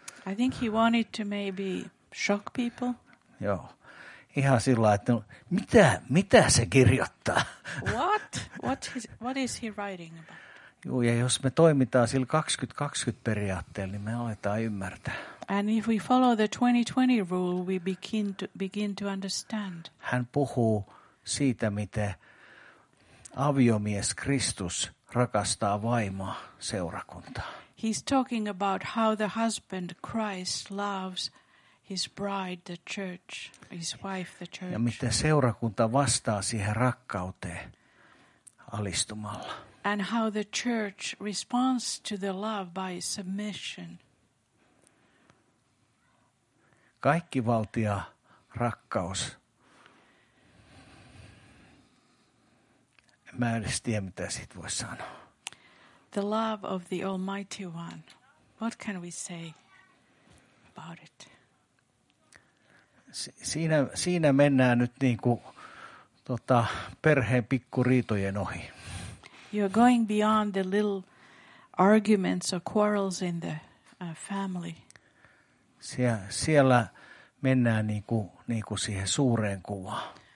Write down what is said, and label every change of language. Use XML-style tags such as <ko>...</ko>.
<en>I think he wanted to maybe shock people.</en> <fi>Joo. Ihan sillä lailla, että mitä se kirjoittaa?</fi> <en>What is he writing about?</en> <fi>Joo, ja jos me toimitaan sillä 20-20 periaatteella, niin me aletaan ymmärtää.</fi> <en>And if we follow the 20-20 rule, we begin to understand.</en> <fi>Hän puhuu siitä, miten aviomies Kristus rakastaa vaimoa, seurakuntaa.</fi> <en>He's talking about how the husband Christ loves his bride, the church, his wife, the church.</en> <fi>Ja miten seurakunta vastaa siihen rakkauteen alistumalla.</fi> <en>And how the church responds to the love by submission.</en> <fi>Kaikkivaltia rakkaus. Mä en edes tiedä, mitä siitä voisi sanoa.</fi> <en>The love of the Almighty One. What can we say about it?</en> <fi>Siinä mennään nyt niin kuin perheen pikkuriitojen ohi.</fi> <en>You're going beyond the little arguments or quarrels in the family.</en> <fi>Siellä mennään niin kuin siihen suureen kuvaan.</fi>